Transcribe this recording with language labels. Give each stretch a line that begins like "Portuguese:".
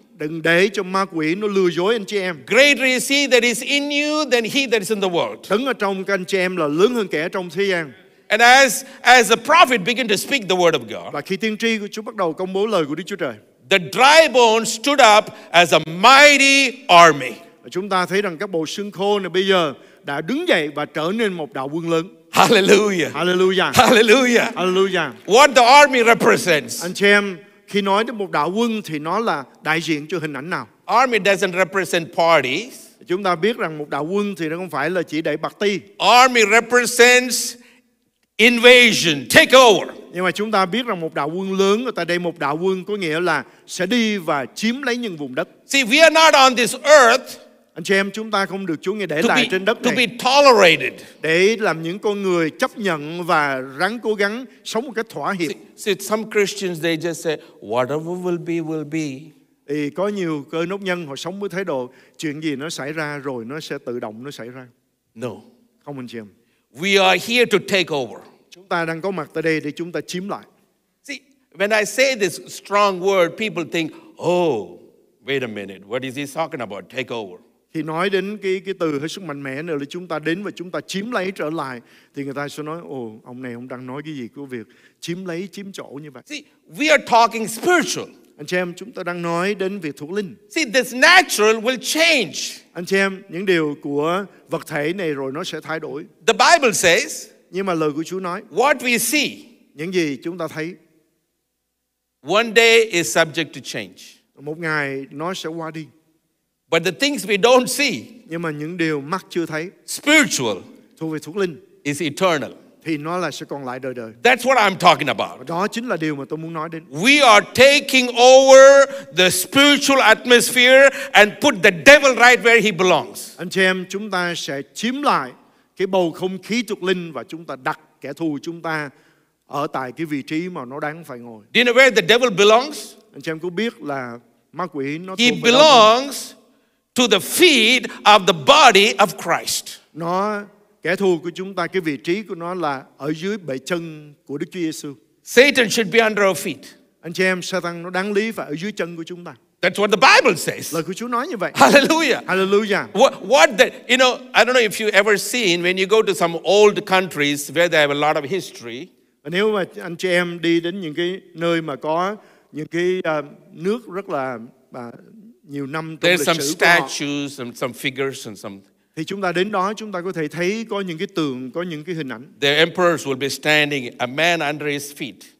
Vietnamese: Đừng để cho ma quỷ nó lừa dối anh chị em.
English: Greater is he that is in you than he that is in the world.
Vietnamese: Đứng ở trong các anh chị em là lớn hơn kẻ trong thế gian.
English: And as the prophet began to speak the word of God.
Vietnamese: Và khi tiên tri của Chúa bắt đầu công bố lời của Đức Chúa Trời.
English: The dry bones stood up as a mighty army.
Vietnamese: Và chúng ta thấy rằng các bộ xương khô này bây giờ đã đứng dậy và trở nên một đạo quân lớn.
English: Hallelujah. Hallelujah. Hallelujah. Hallelujah. What the army represents.
Vietnamese: Anh chị em, khi nói đến một đạo quân thì nó là đại diện cho hình ảnh nào?
English: Army doesn't represent parties.
Vietnamese: Chúng ta biết rằng một đạo quân thì nó không phải là chỉ để party.
English: Army represents invasion, take over.
Vietnamese: Nhưng mà chúng ta biết rằng một đạo quân lớn ở tại đây, một đạo quân có nghĩa là sẽ đi và chiếm lấy những vùng đất.
English: See, we are not on this earth.
Vietnamese: Anh chị em, chúng ta không được Chúa Ngài để lại trên đất này.
English: To be tolerated.
Vietnamese: Để làm những con người chấp nhận và ráng cố gắng sống một cách thỏa hiệp.
English: See, some Christians, they just say, whatever will be, will be.
Vietnamese: Thì có nhiều cơ đốc nhân họ sống với thái độ, chuyện gì nó xảy ra rồi nó sẽ tự động nó xảy ra.
English: No.
Vietnamese: Không, anh chị em.
English: We are here to take over.
Vietnamese: Chúng ta ta đang có mặt tại đây để chúng ta chiếm lại.
English: See, when I say this strong word, people think, oh, wait a minute, what is he talking about? Take over.
Vietnamese: Khi nói đến cái từ hết sức mạnh mẽ nữa là chúng ta đến và chúng ta chiếm lấy trở lại, thì người ta sẽ nói, ồ, ông này ông đang nói cái gì của việc chiếm lấy, chiếm chỗ như vậy.
English: See, we are talking spiritual.
Vietnamese: Anh chị em, chúng ta đang nói đến việc thuộc linh.
English: See, this natural will change.
Vietnamese: Anh chị em, những điều của vật thể này rồi nó sẽ thay đổi.
English: The Bible says,
Vietnamese: nhưng mà lời của Chúa nói,
English: what we see,
Vietnamese: những gì chúng ta thấy,
English: one day is subject to change.
Vietnamese: Một ngày nó sẽ qua đi.
English: But the things we don't see,
Vietnamese: nhưng mà những điều mắt chưa thấy,
English: spiritual,
Vietnamese: thuộc về thuộc linh,
English: is eternal.
Vietnamese: Thì nó là sẽ còn lại đời đời.
English: That's what I'm talking about.
Vietnamese: Đó chính là điều mà tôi muốn nói đến.
English: We are taking over the spiritual atmosphere and put the devil right where he belongs.
Vietnamese: Anh chị em, chúng ta sẽ chiếm lại cái bầu không khí thuộc linh và chúng ta đặt kẻ thù chúng ta ở tại cái vị trí mà nó đáng phải ngồi.
English: Do you know where the devil belongs?
Vietnamese: Anh chị em có biết là ma quỷ nó thuộc về đâu?
English: He belongs to the feet of the body of Christ.
Vietnamese: Nó, kẻ thù của chúng ta, cái vị trí của nó là ở dưới bệ chân của Đức Chúa Giêsu.
English: Satan should be under our feet.
Vietnamese: Anh chị em, Satan nó đáng lý phải ở dưới chân của chúng ta.
English: That's what the Bible says.
Vietnamese: Lời của Chúa nói như vậy.
English: Hallelujah. Hallelujah. What the, you know, I don't know if you ever seen when you go to some old countries where they have a lot of history.
Vietnamese: Nếu mà anh chị em đi đến những cái nơi mà có những cái nước rất là nhiều năm trong
English: there's some
Vietnamese: của
English: statues
Vietnamese: họ.
English: And some figures and some.
Vietnamese: Thì chúng ta đến đó, chúng ta có thể thấy có những cái tượng, có những cái hình ảnh.
English: The emperors will be standing, a man under his feet.